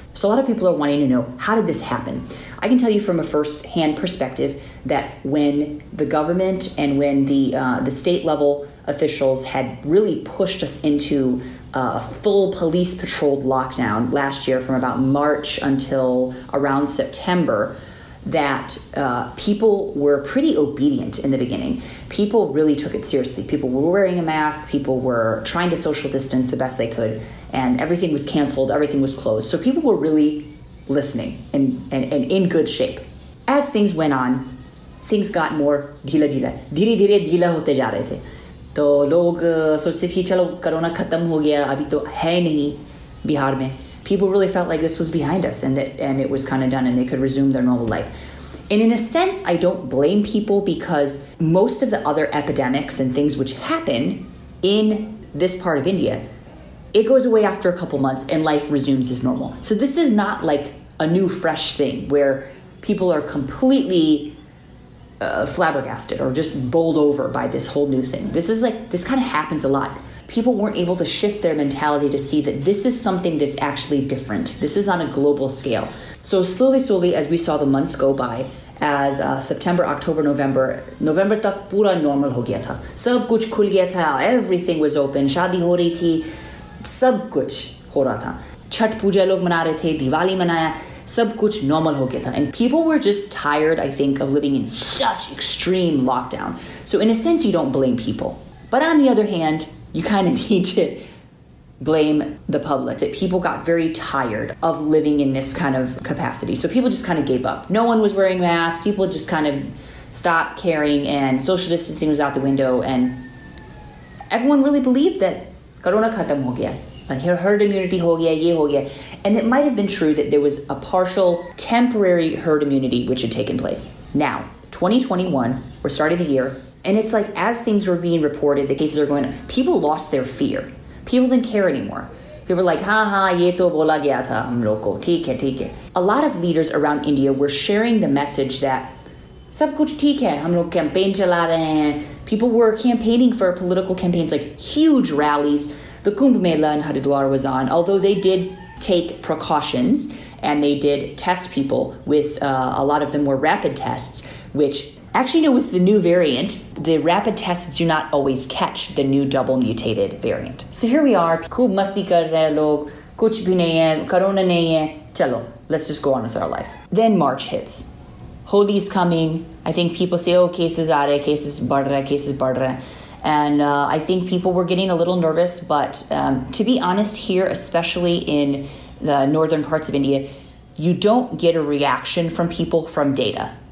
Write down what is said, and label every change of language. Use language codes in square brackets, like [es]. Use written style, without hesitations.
[en] So a lot of people are wanting to know, how did this happen? I can tell you from a firsthand perspective that when the government and when the state level officials had really pushed us into a full police patrolled lockdown last year from about March until around September, that people were pretty obedient in the beginning. People really took it seriously. People were wearing a mask, people were trying to social distance the best they could, and everything was canceled, everything was closed. So people were really listening and in good shape. As things went on, things got more [hi] dhila dhila. धीरे धीरे ढीला होते जा रहे थे. So लोग सोचते थे कि चलो corona खतम हो गया अभी तो है नहीं बिहार में. [en] People really felt like this was behind us and it was kind of done and they could resume their normal life. And in a sense, I don't blame people because most of the other epidemics and things which happen in this part of India, it goes away after a couple months and life resumes as normal. So this is not like a new fresh thing where people are completely flabbergasted or just bowled over by this whole new thing. This is like, this kind of happens a lot. People weren't able to shift their mentality to see that this is something that's actually different. This is on a global scale. So slowly, slowly, as we saw the months go by, as September, October, November [hi] tak pura normal ho gaya tha. सब कुछ खुल गया था. [en] Everything was open. [hi] शादी हो रही थी. सब कुछ हो रहा था. छठ पूजा लोग मना रहे थे. दिवाली मनाया. सब कुछ नॉर्मल हो गया था. [en] And people were just tired, I think, of living in such extreme lockdown. So in a sense, you don't blame people. But on the other hand, you kind of need to blame the public, that people got very tired of living in this kind of capacity. So people just kind of gave up. No one was wearing masks. People just kind of stopped caring and social distancing was out the window. And everyone really believed that [hi] corona khatam ho gaya. [en] Herd immunity [hi] हो गया, ये हो गया. [en] And it might have been true that there was a partial temporary herd immunity which had taken place. Now, 2021, we're starting the year. And it's like, as things were being reported, the cases are going up, people lost their fear. People didn't care anymore. People were like, [hi] हा हा, ये तो बोला गया था, हम लोगो, ठीक है, ठीक है. [en] A lot of leaders around India were sharing the message that [hi] सब कुछ ठीक है, हम लोग campaign चला रहे हैं. [en] People were campaigning for political campaigns, like huge rallies. The Kumbh Mela in Haridwar was on, although they did take precautions and they did test people with a lot of them were rapid tests, which actually, no, with the new variant, the rapid tests do not always catch the new double mutated variant. So here we are. [hi] खूब मस्ती कर रहे लोग, कुछ भी नहीं है, corona नहीं है, चलो, [en] let's just go on with our life. Then March hits. Holi's coming. I think people say, oh, cases are रहे, cases बढ़ रहे, cases बढ़ रहे. And I think people were getting a little nervous, but to be honest here, especially in the northern parts of India, you don't get a reaction from people from data.